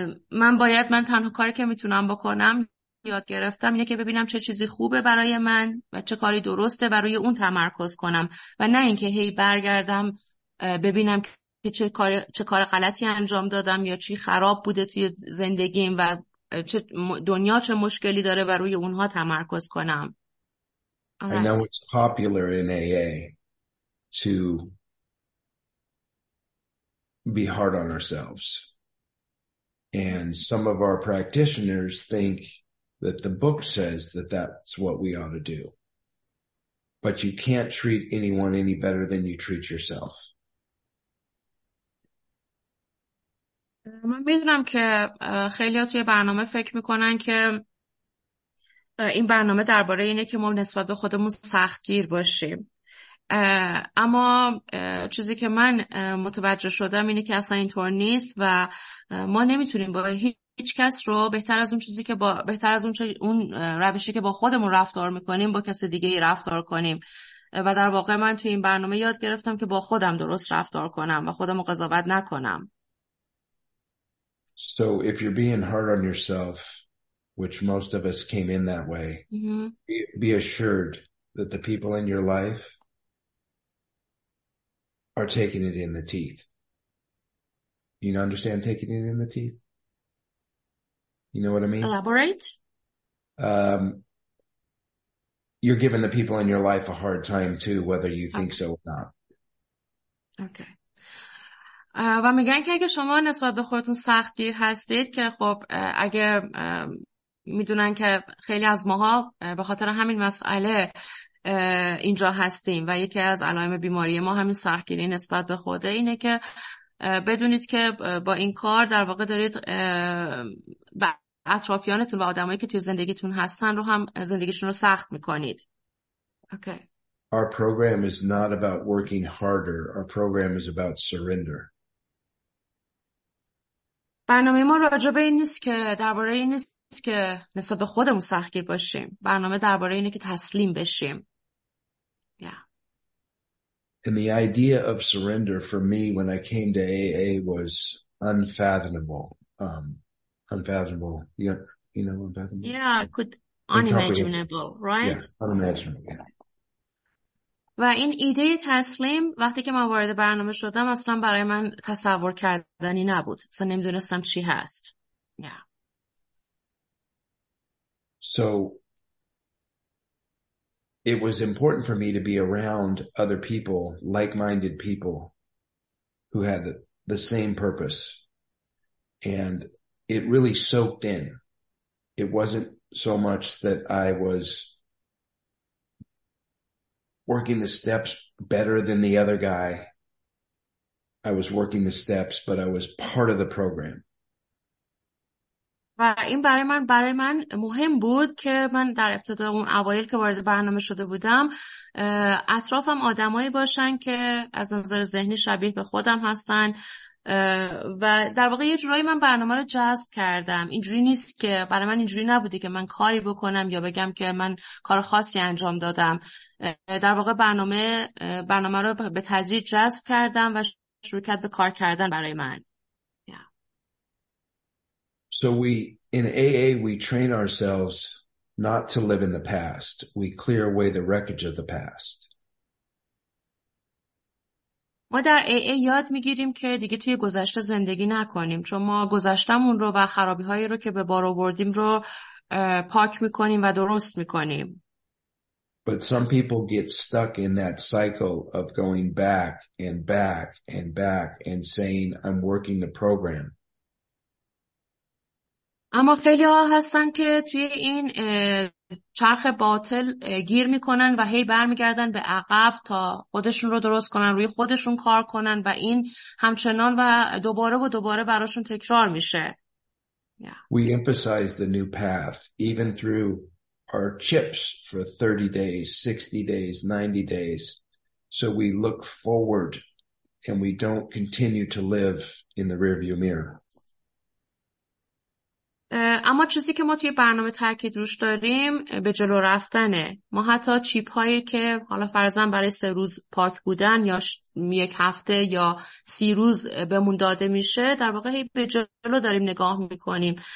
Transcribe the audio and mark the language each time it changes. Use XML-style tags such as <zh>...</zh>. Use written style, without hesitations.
<fa>من تنها کاری که میتونم بکنم یاد گرفتم اینه که ببینم چه چیزی خوبه برای من و چه کاری درسته و روی اون تمرکز کنم و نه اینکه هی برگردم ببینم چه کار غلطی انجام دادم یا چی خراب بوده توی زندگیم و چه دنیا چه مشکلی داره و روی اونها تمرکز کنم.</fa> <en>I know it's popular in AA to be hard on ourselves. And some of our practitioners think that the book says that that's what we ought to do. But you can't treat anyone any better than you treat yourself.</en> <fa>من میدونم که خیلی ها توی برنامه فکر میکنن که این برنامه درباره اینه که ما نسبت به خودمون سختگیر باشیم. اما چیزی که من متوجه شدم اینه که اصلا اینطور نیست و ما نمیتونیم با هیچ کس رو بهتر از اون روشی که با خودمون رفتار میکنیم با کس دیگه ای رفتار کنیم. و در واقع من توی این برنامه یاد گرفتم که با خودم درست رفتار کنم و خودم رو قضاوت نکنم.</fa> <en>So if you're being hard on yourself, which most of us came in that way, be assured that the people in your life are taking it in the teeth. You understand taking it in the teeth? You know what I mean? Elaborate. You're giving the people in your life a hard time too, whether you think so or not. Okay.</en> <fa>و میگن که اگه شما نسبت به خودتون سختگیر هستید، که خب اگه میدونن که خیلی از ماها به خاطر همین مسئله اینجا هستیم و یکی از علائم بیماری ما همین سختگیری نسبت به خوده، اینه که بدونید که با این کار در واقع دارید به اطرافیانتون و آدمایی که توی زندگیتون هستن رو هم زندگیشون رو سخت میکنید.</fa> <en>Okay. Our program is not about working harder. Our program is about surrender.</en> <fa>برنامه ما راجبه این نیست که درباره این نیست که نسبت به خودمون سختگیر باشیم. برنامه درباره اینه که تسلیم بشیم.</fa> <en>Yeah. And the idea of surrender for me when I came to AA was unfathomable. Unfathomable. You know, unfathomable. Yeah, could unimaginable, right? Yeah, unimaginable. Yeah.</en> <fa>و این ایده تسلیم وقتی که من وارد برنامه شدم اصلا برای من تصور کردنی نبود. اصلا نمیدونستم چی هست.</fa> <en>Yeah. So it was important for me to be around other people, like-minded people who had the same purpose. And it really soaked in. It wasn't so much that I was working the steps better than the other guy. I was working the steps, but I was part of the program.</en> <fa>و این برای من مهم بود که من در ابتدا اون اوایل که وارد برنامه شده بودم اطرافم آدمایی باشن که از نظر ذهنی شبیه به خودم هستن و در واقع یه جورایی من برنامه رو جذب کردم. اینجوری نیست که برای من اینجوری نبوده که من کاری بکنم یا بگم که من کار خاصی انجام دادم. در واقع برنامه رو به تدریج جذب کردم و شروع کرد به کار کردن برای من.</fa> <en>So we, in AA, we train ourselves not to live in the past. We clear away the wreckage of the past.</en> <fa>ما در AA یاد میگیریم که دیگه توی گذشته زندگی نکنیم چون ما گذشتمون رو و خرابی هایی رو که به بار آوردیم رو پاک میکنیم و درست میکنیم.</fa> <en>But some people get stuck in that cycle of going back and back and back and saying, I'm working the program.</en> <fa>اما خیلی ها هستن که توی این چرخ باطل گیر میکنن و هی برمیگردن به عقب تا خودشون رو درست کنن، روی خودشون کار کنن و این همچنان و دوباره براشون تکرار میشه.</fa> <en>Yeah. We emphasize the new path even through our chips for 30 days, 60 days, 90 days. So we look forward and we don't continue to live in the rearview mirror.</en> <fa>اما چیزی که ما توی برنامه تاکید روش داریم به جلو رفتنه. ما حتی چیپ هایی که حالا فرضاً برای 3 روز پاک بودن یا 1 هفته یا 30 روز بهمون داده میشه در واقع هی به جلو داریم نگاه میکنیم.</fa>